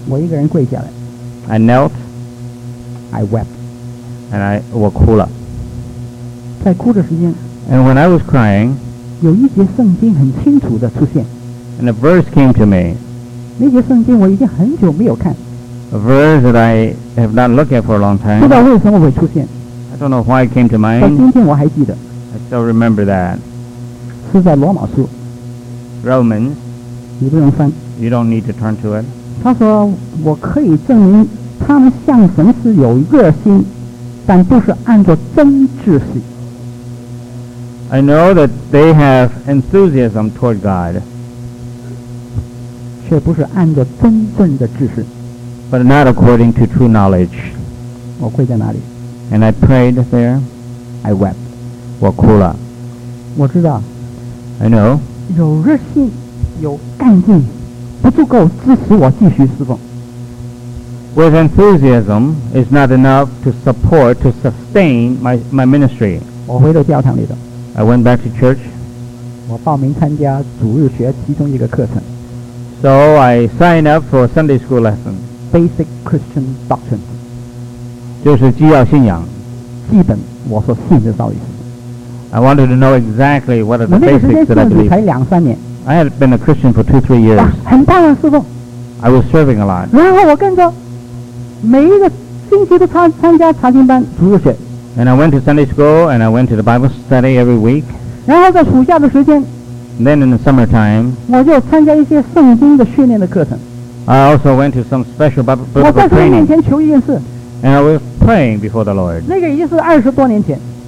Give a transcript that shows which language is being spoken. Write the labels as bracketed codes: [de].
[zh] 我一个人跪下来 [en] I knelt I wept And I [zh] 我哭了在哭的时间 [en] And when I was crying [zh] 有一节圣经很清楚地出现 [en] And a verse came to me [zh] 那节圣经我已经很久没有看 [en] A verse that I have not looked at for a long time [zh] 不知道为什么会出现 [en] I don't know why it came to mind [zh] 到今天我还记得 [en] I still remember that [zh] 是在罗马书 [en] Romans [zh] 你不用翻 [en] You don't need to turn to it [zh] 他说我可以证明他们向神是有热心但不是按照真秩序 [en] I know that they have enthusiasm toward God. [zh] 却不是按着真正的知识。 [en] But not according to true knowledge. [zh] 我跪在哪里？ [en] And I prayed there. I wept. [zh] 我哭了。我知道。 [en] I know. [zh] 有热心，有干劲，不足够支持我继续侍奉。 [en] With enthusiasm is not enough to support, to sustain my ministry. [zh] 我回到教堂里的。 [en] I went back to church. [zh] 我报名参加主日学其中一个课程。 [en] So I signed up for a Sunday school lesson. Basic Christian doctrine. [zh] 就是基要信仰。基本我所信的道理。 [en] I wanted to know exactly what are the basics that I believe. [zh] 我那个时间信主才两三年。 [en] I had been a Christian for 2-3 years. [zh] 很棒啊，师父。 [en] I was serving a lot. [zh] 然后我跟着每一个星期都参加查经班主日学。 [en] And I went to Sunday school and I went to the Bible study every week. [zh] 然后在暑假的时间 [en] Then in the summertime, [zh] 我就参加一些圣经的训练的课程。 [en] I also went to some special Bible training. [zh] 我在神面前求一件事。 [en] And I was praying before the Lord. [zh] 那个已经是二十多年前。